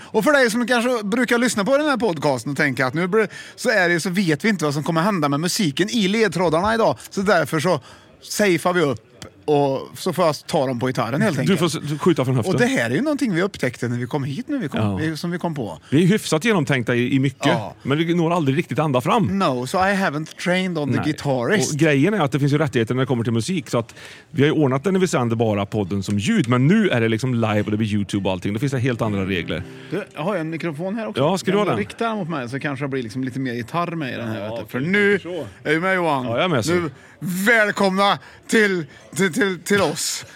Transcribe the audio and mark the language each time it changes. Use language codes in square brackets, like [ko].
[sv] Och för dig som kanske brukar lyssna på den här podcasten och tänka att nu så är det, så vet vi inte vad som kommer hända med musiken i ledtrådarna idag. Så därför så safear vi upp. Och så får jag ta dem på gitarren helt enkelt. Du får skjuta från höften. Och det här är ju någonting vi upptäckte när vi kom hit nu, som vi kom på. Vi är hyfsat genomtänkta i mycket, men vi når aldrig riktigt ända fram. [en] No, so I haven't trained on the guitarist. [sv] Och grejen är att det finns ju rättigheter när det kommer till musik. Så att vi har ju ordnat den när vi sänder bara podden som ljud. Men nu är det liksom live och det blir YouTube och allting. Då finns det helt andra regler. Du, jag har ju en mikrofon här också. Ja, ska du ha den? Rikta den mot mig så kanske jag blir liksom lite mer gitarr med i den här. Ja, vet du. För nu är ju med, Johan. Ja, jag är med, nu, välkomna till oss.